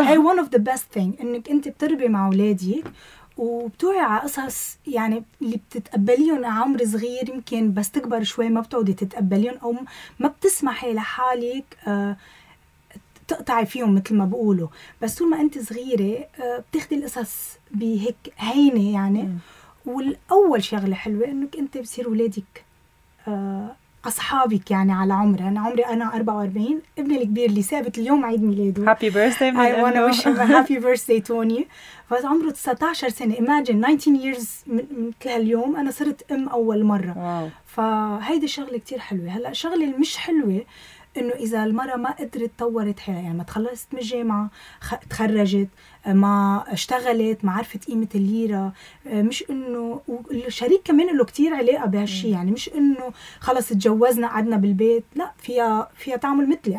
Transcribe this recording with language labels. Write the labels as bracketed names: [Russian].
[Arabic] هي [English] one of the best thing [Arabic] إنك أنت بتربي مع أولادك وبتوعي على قصص يعني اللي بتتقبليهم عمر صغير، يمكن بس تكبر شوي ما بتعودي تتقبليهم أو ما بتسمحي لحالك تقطعي فيهم مثل ما بقوله، بس طول ما انت صغيرة بتاخدي القصص بهيك هينة يعني. والأول شغلة حلوة انك انت بصير ولادك أصحابك يعني على عمري. أنا عمري أنا 44، ابني الكبير اللي ثابت اليوم عيد ميلاده. [English] Happy birthday [Arabic] من أمه. [English] I wanna wish him a happy birthday Tony. [Arabic] فاز عمره 19 سنة. [English] Imagine 19 years [Arabic] مثل هاليوم أنا صرت أم أول مرة. فهيدا شغلة كتير حلوة. هلأ شغلة مش حلوة إنه إذا المرأة ما قدرت طورت حياتها، يعني ما تخلصت من الجامعة، تخرجت، ما اشتغلت، ما عرفت قيمة الليرة، مش إنه والشريك كمان له كتير علاقة بهالشي، يعني مش إنه خلص اتجوزنا قعدنا بالبيت، لا، فيها تعمل مثلي.